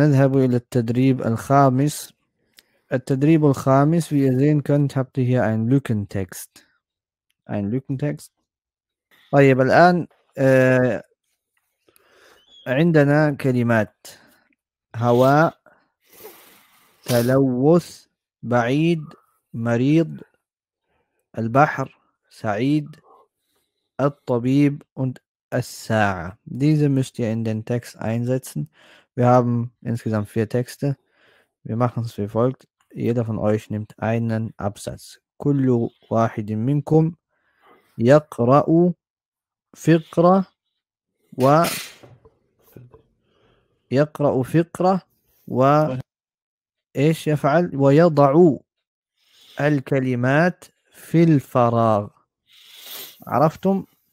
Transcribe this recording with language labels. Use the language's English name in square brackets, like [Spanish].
[Arabic] نذهب إلى التدريب الخامس. التدريب الخامس, [German] wie ihr sehen könnt, habt ihr hier einen Lückentext. Ein Lückentext. [Arabic] طيب, الآن عندنا كلمات هواء, تلوث, بعيد, مريض, البحر, سعيد, الطبيب und الساعه. [German] Diese müsst ihr in den Text einsetzen. Wir haben insgesamt vier Texte. Wir machen es wie folgt. Jeder von euch nimmt einen Absatz. [Arabic] كل واحد منكم يقرأ فقرة و يقرأ فقرة و إيش يفعل؟ ويضع الكلمات في الفراغ. عرفتم؟